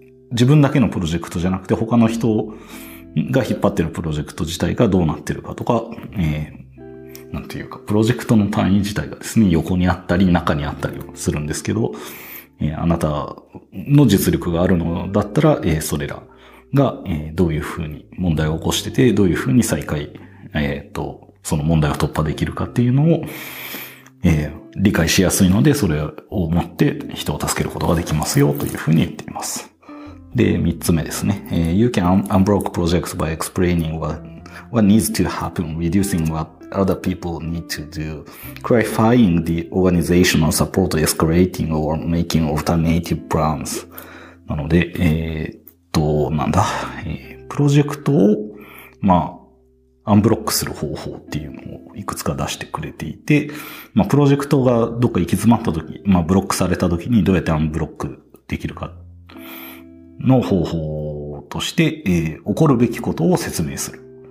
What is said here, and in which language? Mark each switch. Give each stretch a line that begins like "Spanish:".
Japanese: 自分だけのプロジェクトじゃなくて他の人が引っ張ってるプロジェクト自体がどうなってるかとか、なんていうかプロジェクトの単位自体がですね横にあったり中にあったりするんですけど、あなたの実力があるのだったら、それらが、どういうふうに問題を起こしてて、どういうふうに再開、その問題を突破できるかっていうのを、理解しやすいので、それを持って人を助けることができますよというふうに言っています。で、三つ目ですね。
English: You can unblock projects by explaining what needs to happen, reducing what other people need to do, clarifying the organizational support, escalating or making alternative plans.
Japanese: なので、なんだ、プロジェクトを、まあ、アンブロックする方法っていうのをいくつか出してくれていて、まあ、プロジェクトがどっか行き詰まったとき、まあ、ブロックされたときにどうやってアンブロックできるかの方法として、起こるべきことを説明する。